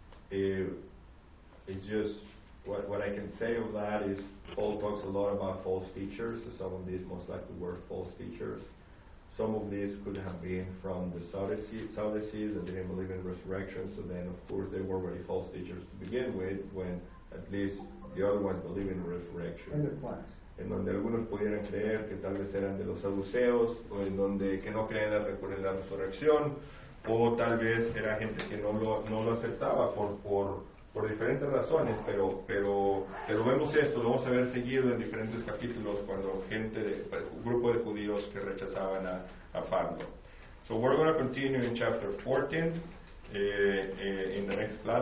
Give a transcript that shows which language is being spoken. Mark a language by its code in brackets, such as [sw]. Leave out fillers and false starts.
[en] It's just... What I can say of that is Paul talks a lot about false teachers. So some of these most likely were false teachers. Some of these could have been from the Sadducees that didn't believe in resurrection. So then, of course, they were already false teachers to begin with when at least the other ones believe in resurrection. In the class. [es] En donde algunos pudieran creer que tal vez eran de los saduceos o en donde que no creían en la resurrección o tal vez era gente que no lo aceptaba por por diferentes razones, pero vemos esto, lo vamos a ver seguido en diferentes capítulos cuando gente, un grupo de judíos que rechazaban a Pablo. [en] So we're going to continue in chapter 14, in the next class.